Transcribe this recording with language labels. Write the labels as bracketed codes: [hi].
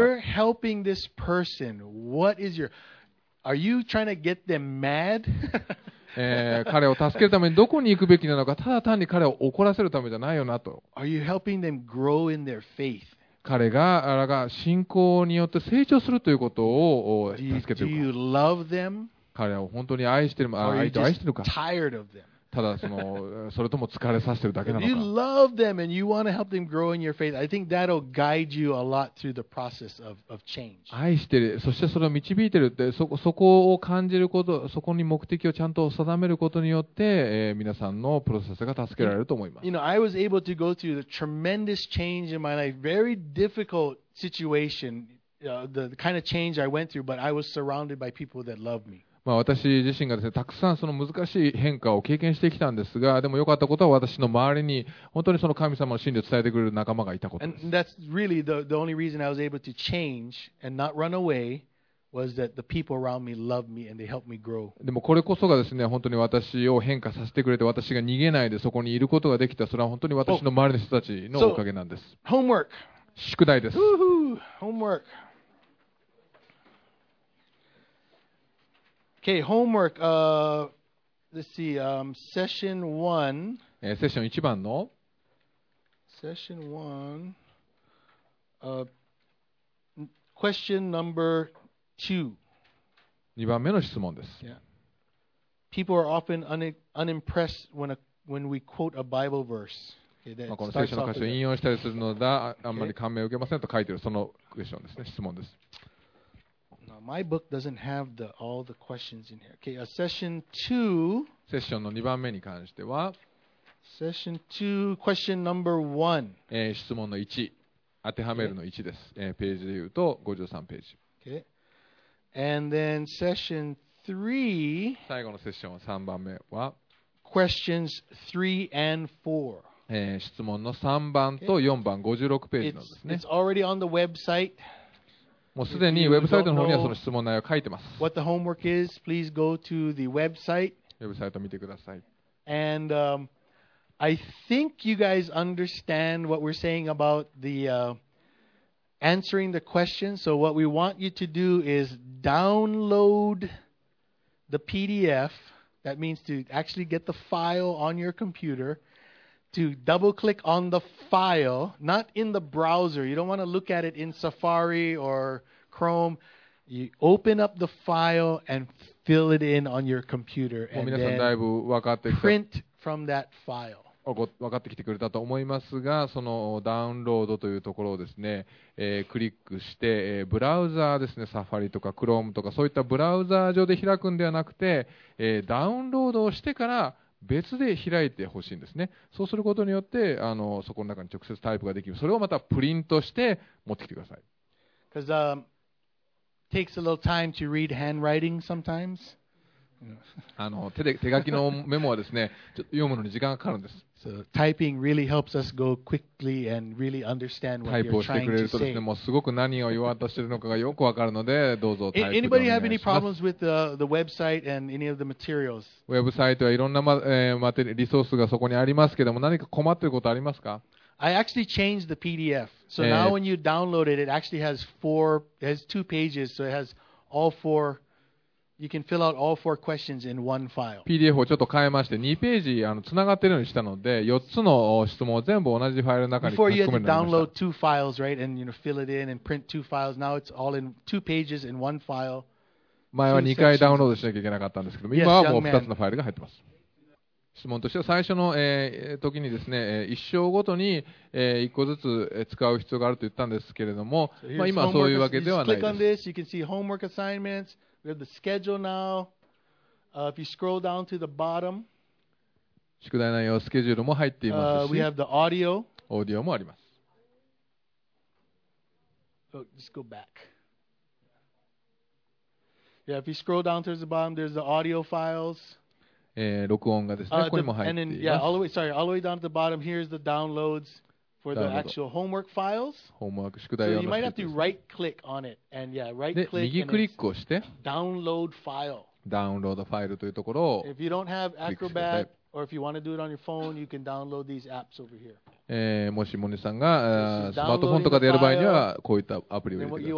[en] When you're helping this person, what is your? Are you trying to get them mad? [ja] 彼を助けるためにどこに行くべきなのか、ただ単に彼を怒らせるためじゃないよなと。 [en] Are you helping them grow in their faith? [ja] 彼が、あらが信仰によって成長するということを助けているか。 [en] Do you love them? [ja] 彼を本当に愛してる、 [en] Or、 [ja] 相手を愛してるか。 [en] Tired of them? [ja] ただその、それとも疲れさせてるだけなのか。 [en] You love them and you want to help them grow in your faith. I think that'll guide you a lot through the process of change. [ja] 愛してる、そしてそれを導いてるって、そこを感じること、そこに目的をちゃんと定めることによって、皆さんのプロセスが助けられると思います。 [en] You know, I was able to go through the tremendous change in my life, very difficult situation, the kind of change I went through, but I was surrounded by people that loved me. [ja] まあ、私自身がですね、たくさんその難しい変化を経験してきたんですが、でも良かったことは私の周りに本当にその神様の真理を伝えてくれる仲間がいたことです。 [en] And that's really the only reason I was able to change and not run away was that the people around me loved me and they helped me grow. [ja] でもこれこそがですね、本当に私を変化させてくれて、私が逃げないでそこにいることができた、それは本当に私の周りの人たちのおかげなんです。 [en] So, homework. [ja] 宿題です。 [en] Woo-hoo! Homework. Okay, homework. Let's see. Session one. [ja] Session 1番の [en] Session one. Question number two. [ja] 2番目の質問です。 [en] Yeah. People are often unimpressed when we quote a Bible verse. [ja] Okay, この聖書の箇所を引用したりするのだ、あんまり感銘を受けませんと書いてるそのクエスチョンですね、質問です。 [en] My book doesn't have all the questions in here. Okay, session two. [ja] セッションの2番目に関しては [en] Session two, question number one. [ja] 質問の1。当てはめるの1です、okay. ページで言うと53ページ、 [en] okay. And then session 3 [ja] 最後のセッションは3番目は [en] Questions 3 and 4 [ja] 質問の3番と4番、56ページのですね。 [en] It's already on the website. [ja] もうすでにウェブサイトの方にはその質問内容書いてます。 [en] What the homework is, please go to the website. [ja] ウェブサイト見てください。 [en] And, I think you guys understand what we're saying about the, answering the question. So what we want you to do is download the PDF. That means to actually get the file on your computer. To double click on the file, not in the browser. You don't want to look at it in Safari or Chrome. You open up the file and fill it in on your computer and then print from that file. [ja] 分かってきてくれたと思いますが、そのダウンロードというところをですね、クリックして、ブラウザーですね、Safari とか Chrome とかそういったブラウザー上で開くんではなくて、ダウンロードをしてから別で開いてほしいんですね。そうすることによって、そこの中に直接タイプができる。それをまたプリントして持ってきてください。 [en] Because takes a little time to read handwriting sometimes. [ja] 手書きのメモはですね、ちょっと読むのに時間がかかるんです。 [en] So typing really helps us go quickly and really understand what you're trying to say. [ja] タイプをしてくれるとですね、もうすごく何を言わんとしているのかがよくわかるので、どうぞタイプでお願いします。 [en] Anybody have any problems with the website and any of the materials? [ja] ウェブサイトはいろんな、リソースがそこにありますけども、何か困っていることありますか？ [en] I actually changed the PDF. So now when you download it, it actually has four, it has two pages, so it has all four. You can fill out all four questions in one file. [ja] PDF をちょっと変えまして、2ページつながっているようにしたので、4つの質問を全部同じファイルの中に書き込めるようになりました。 [en] Before you had to download two files, right, and you know, fill it in and print two files. Now it's all in two pages in one file. [ja] 前は2回ダウンロードしなきゃいけなかったんですけど、今はもう2つのファイルが入ってます。質問としては最初の、時にですね、一章ごとに、1個ずつ使う必要があると言ったんですけれども、まあ、今はそういうわけではないです。 [en] Click on this. You can see homework assignments. We have the schedule now. If you scroll down to the bottom, [ja] 宿題内容スケジュールも入っていますし、 [en] we have the audio. [ja] オーディオもあります。 [en] So, just go back. Yeah, if you scroll down to the bottom, there's the audio files. [ja] 録音がですね、ここにも入っています。 [en] And then, yeah, all the way, sorry, all the way down to the bottom, here's the downloads. For the actual homework files. [ja] Homework, 宿題用の。 [en] So you might have to right click on it, and yeah, right click. [ja] で、右クリックをして。 [en] Download file. [ja] ダウンロードファイルというところを。 [en] If you don't have Acrobat, or if you want to do it on your phone, you can download these apps over here. [ja] もしモニさんがスマートフォンとかでやる場合には、こういったアプリを入れてください。